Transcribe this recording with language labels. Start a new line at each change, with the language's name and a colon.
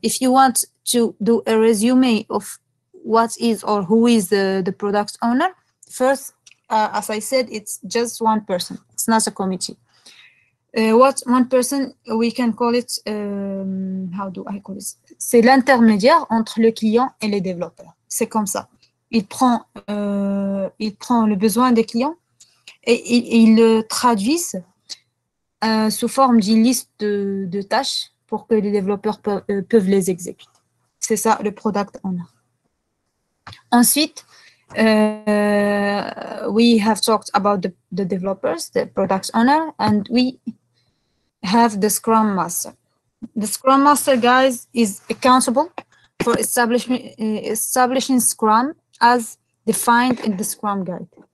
English: If you want to do a resume of what is or who is the product owner, first, as I said, it's just one person. It's not a committee. What one person, we can call it, how do I call it?
French: C'est l'intermédiaire entre le client et le développeur. C'est comme ça. Il prend le besoin des clients et il le traduit sous forme d'une liste de tâches pour que les développeurs peuvent les exécuter. C'est ça le product owner. Ensuite,
English: we have talked about the developers, the product owner, and we have the Scrum Master. The Scrum Master, guys, is accountable for establishing Scrum as defined in the Scrum Guide.